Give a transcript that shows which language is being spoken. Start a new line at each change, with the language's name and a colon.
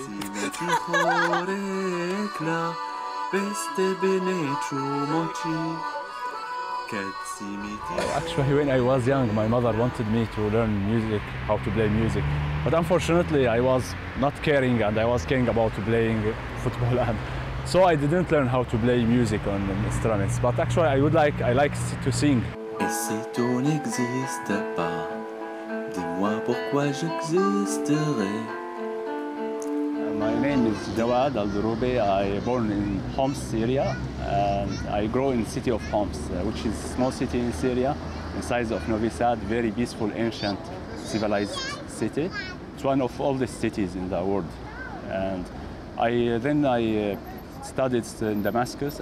Croatian: Zime tiho rekla, bez tebe neću moći. Kad si mi tiho...
English: Actually, when I was young, my mother wanted me to learn music, how to play music. But unfortunately, I was not caring and I was caring about playing football and... So I didn't learn how to play music on instruments, but actually I like to sing.
French: Et si tu n'existes pas, dis-moi pourquoi j'existerai.
English: My name is Jawad Al-Zuroubi. I was born in Homs, Syria. And I grew in the city of Homs, which is a small city in Syria, the size of Novi Sad, very peaceful, ancient, civilized city. It's one of oldest cities in the world. And I studied in Damascus.